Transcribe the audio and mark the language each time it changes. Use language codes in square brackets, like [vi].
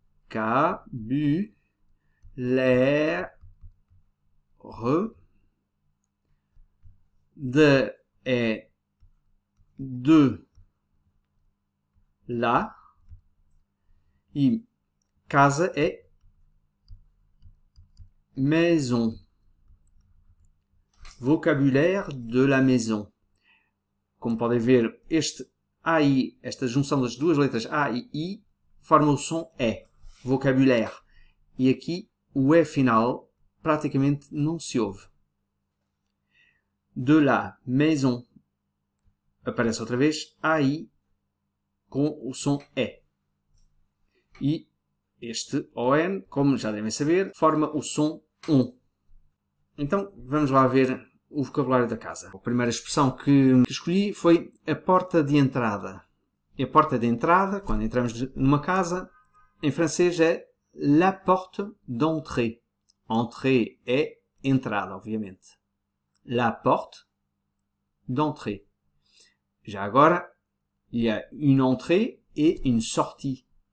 [fr] Vocabulaire de et de la et casa et maison. Vocabulaire de la maison. [pt] Como podem ver, este AI, esta junção das duas letras A e I, forma o som E. Vocabulaire. E aqui o E final praticamente não se ouve. De la maison. Aparece outra vez aí com o som E. E este ON, como já devem saber, forma o som UM. Então vamos lá ver o vocabulário da casa. A primeira expressão que escolhi foi a porta de entrada. E a porta de entrada, quando entramos numa casa, em francês é [fr] la porte d'entrée. [pt] Entrée é entrada, obviamente. [fr] La porte d'entrée. [pt] Já agora, [fr] il y a une entrée et une sortie.